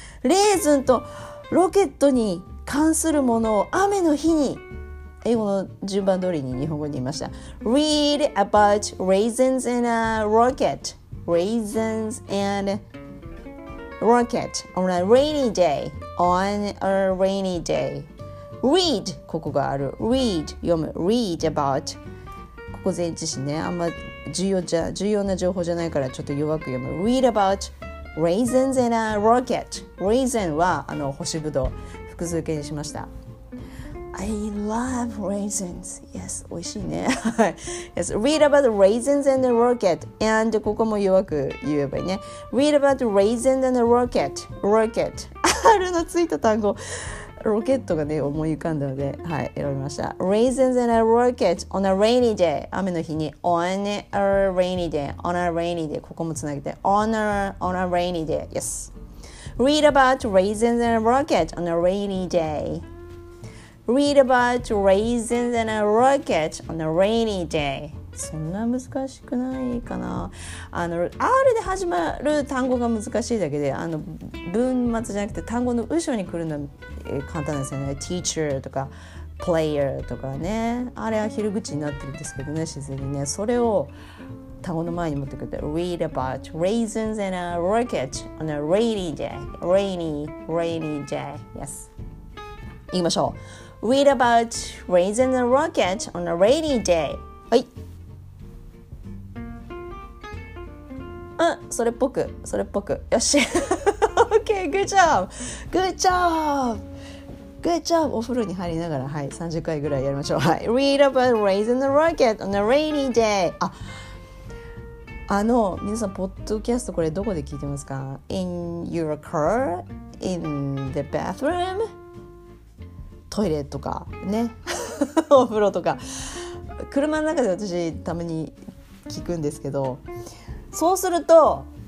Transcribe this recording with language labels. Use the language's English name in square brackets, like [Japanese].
[Japanese] レーズンとロケットに関するものを雨の日に、英語の順番通りに日本語に言いました。 [English] read about raisins and a rocket, raisins and rocket on a rainy day, on a rainy day. [Japanese] read、 ここがある、 read、 読む、 [English] read about、 [Japanese] ここ前置詞ね、あんま重要な情報じゃないからちょっと弱く読む。 [English] Read about raisins and a rocket。 [Japanese] Raisin はあの星ぶどう、複数形にしました。 [English] I love raisins. Yes, [Japanese] 美味しいね。 [English] Yes, read about raisins and the rocket. And [Japanese] ここもよく言えばいいね。 [English] Read about raisins and the rocket. Rocket. [Japanese] R のついた単語。ロケットがね、思い浮かんだので、はい、選びました。 [English] Raisins and a rocket on a rainy day. [Japanese] 雨の日に。 [English] On a rainy day. On a rainy day. [Japanese] ここもつなげて。 [English] On a rainy day. Yes. Read about raisins and a rocket on a rainy day. Read about raisins and a rocket on a rainy day. [Japanese] そんな難しくないかな。あの R で始まる単語が難しいだけで、あの文末じゃなくて単語の後ろに来るのは簡単ですよね。 Teacher とか player とかね、あれは昼口になってるんですけどね、自然にね、それを単語の前に持ってくる。 [English] Read about raisins and a rocket on a rainy day. Rainy day. Yes. [Japanese] 言いましょう。 [English] Read about raising a rocket on a rainy day. [Japanese] はい。うん、それっぽく、それっぽく。よし。 [English] OK、Good job! Good job! Good job! [Japanese] お風呂に入りながら、はい、30回ぐらいやりましょう。はい。 [English] Read about raising a rocket on a rainy day. [Japanese] あの、皆さん、ポッドキャストこれどこで聞いてますか? [English] In your car? In the bathroom? [Japanese] トイレとかね、お風呂とか、車の中で私たまに聞くんですけど、そうすると